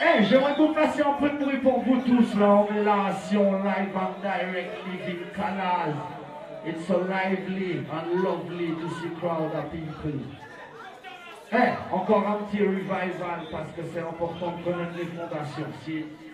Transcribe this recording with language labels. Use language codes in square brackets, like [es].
[fr] Hey, j'aimerais que vous fassiez un peu de bruit pour vous tous là. On est là, si on live en direct, [en] living canals. It's so lively and lovely to see crowd of people. [fr] Hey, encore un petit revival parce que c'est important de connaître les fondations.